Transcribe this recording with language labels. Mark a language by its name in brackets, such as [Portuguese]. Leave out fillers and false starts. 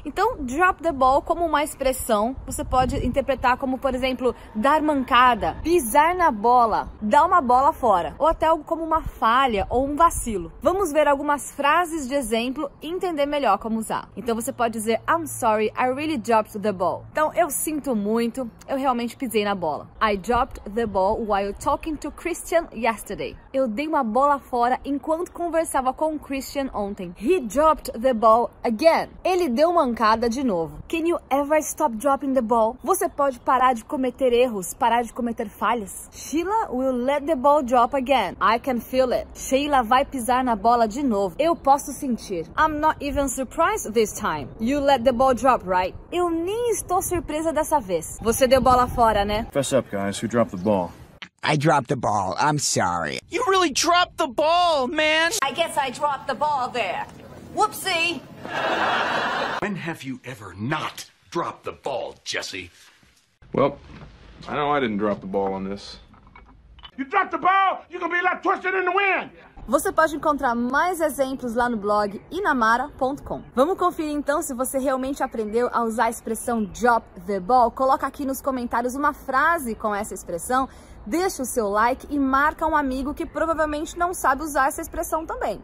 [Portuguese] Então, drop the ball como uma expressão, você pode interpretar como, por exemplo, dar mancada, pisar na bola, dar uma bola fora, ou até algo como uma falha ou um vacilo. Vamos ver algumas frases de exemplo e entender melhor como usar. Então você pode dizer, [English] I'm sorry, I really dropped the ball. [Portuguese] Então, eu sinto muito, eu realmente pisei na bola. [English] I dropped the ball while talking to Christian yesterday. [Portuguese] Eu dei uma bola fora enquanto conversava com Christian ontem. [English] He dropped the ball again. [Portuguese] Ele deu mancada de novo. [English] Can you ever stop dropping the ball? [Portuguese] Você pode parar de cometer erros, parar de cometer falhas? [English] Sheila will let the ball drop again. I can feel it. [Portuguese] Sheila vai pisar na bola de novo. Eu posso sentir. [English] I'm not even surprised this time. You let the ball drop, right? [Portuguese] Eu nem estou surpresa dessa vez. Você deu bola fora, né? [English] Fess up, guys. Who dropped the ball? I dropped the ball. I'm sorry. You really dropped the ball, man. I guess I dropped the ball there. Whoopsie. When have you ever not dropped the ball, Jesse? Well, I know I didn't drop the ball on this. You dropped the ball, you're gonna be left twisted in the wind. [Portuguese] Você pode encontrar mais exemplos lá no blog inamara.com. Vamos conferir então se você realmente aprendeu a usar a expressão drop the ball. Coloca aqui nos comentários uma frase com essa expressão, deixa o seu like e marca um amigo que provavelmente não sabe usar essa expressão também.